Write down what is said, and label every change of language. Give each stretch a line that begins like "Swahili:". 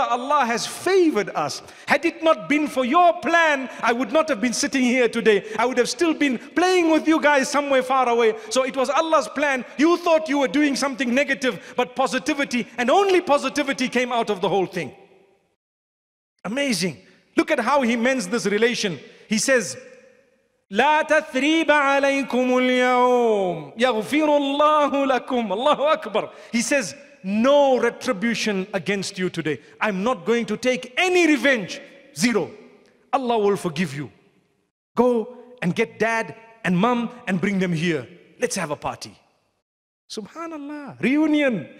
English: Allah has favored us. Had it not been for your plan, I would not have been sitting here today. I would have still been playing with you guys somewhere far away. So it was Allah's plan. You thought you were doing something negative, but positivity and only positivity came out of the whole thing. Amazing. Look at how he mends this relation. He says,
Arabic: لا تثريب عليكم اليوم يغفر الله لكم الله أكبر
English: He says, no retribution against you today. I'm not going to take any revenge. Zero. Allah will forgive you. Go and get dad and mom and bring them here. Let's have a party. Subhanallah. Reunion.